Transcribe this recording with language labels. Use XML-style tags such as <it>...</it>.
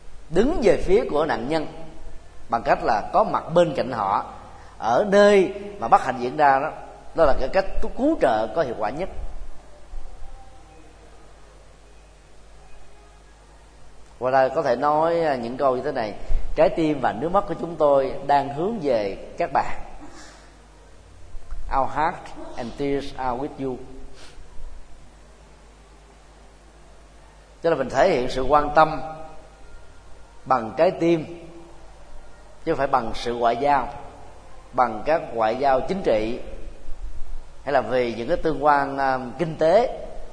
<vi>Đứng về phía của nạn nhân bằng cách là có mặt bên cạnh họ ở nơi mà bất hạnh diễn ra đó, đó là cái cách cứu trợ có hiệu quả nhất. Và là có thể nói những câu như thế này: trái tim và nước mắt của chúng tôi đang hướng về các bạn.</vi> <en>Our heart and tears are with you.</en> <vi>Tức là mình thể hiện sự quan tâm bằng trái tim, chứ không phải bằng sự ngoại giao, bằng các ngoại giao chính trị hay là vì những cái tương quan kinh tế.</vi>